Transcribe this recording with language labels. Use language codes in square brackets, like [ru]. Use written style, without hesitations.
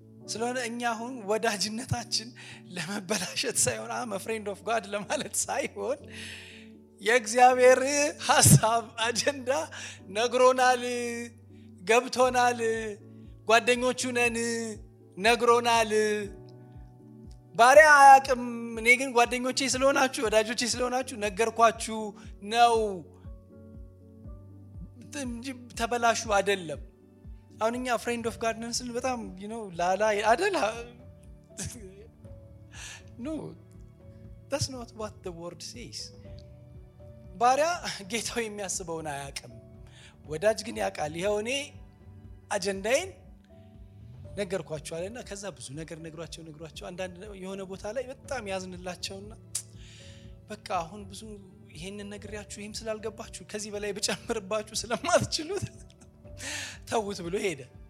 [am] ስለሆነ እኛ አሁን ወዳጅነታችን ለመበላሸት ሳይሆን [en] አ ፍሬንድ ኦፍ ጋድ [am] ለማለት ሳይሆን የእግዚአብሔር ሐሳብ አጀንዳ ነግሮናል፣ ገብቶናል፣ ጓደኞቹ ነን ነግሮናል። ባሪያ አያቅም። እኔ ግን ጓደኞቼ ስለሆናችሁ ወዳጆቼ ስለሆናችሁ ነገርኳችሁ ነው እንጂ ተበላሹ አይደለም። አሁን እኛ [en] ፍሬንድ ኦፍ ጋድ [am] ነን ስንል በጣም [en] ዩ ኖ [am] ላላ አይደል? [en] No, that's not what the word says. [am] ባሪያ ጌታው የሚያስበውን አያቅም፣ ወዳጅ ግን ያቃል። ይኸው እኔ አጀንዳዬን ነገርኳቸው አለና ከዛ ብዙ ነገር ነግሯቸው አንዳንድ የሆነ ቦታ ላይ በጣም ያዝንላቸውና በቃ አሁን ብዙ ይሄንን ነግሪያችሁ ይሄም ስላልገባችሁ ከዚህ በላይ ብጨምርባችሁ ስለማትችሉት ተውት ብሎ ሄደ።